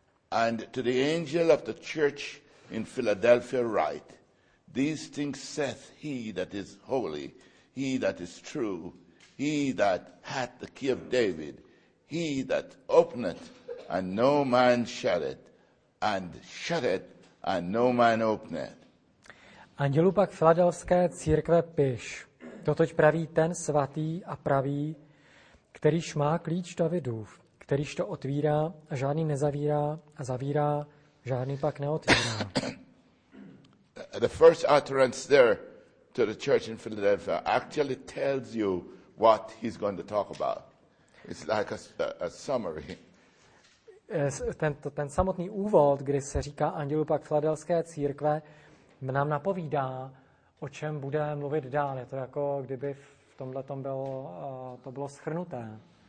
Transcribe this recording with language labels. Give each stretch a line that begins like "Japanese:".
English: And to the angel of the church in Philadelphia write, these things saith he that is holy, he that is true, he that hath the key of David, he that openeth, and no man shutteth, and no man openeth.
Czech: Andělu pak Filadelfské církve piš, totož praví ten svatý a pravý, kterýž má klíč Davidův, kterýž to otvírá a žádný nezavírá a zavírá, žádný pak neotvírá.
English: The first utterance there to the church in Philadelphia actually tells you what he's going to talk about. It's like a summary.
Czech: Ten samotný úvod, kdy se říká andělu pak Filadelfské církve, nám napovídá, o čem bude mluvit dál. Je to jako kdyby v tomhle tom bylo to bylo shrnuté.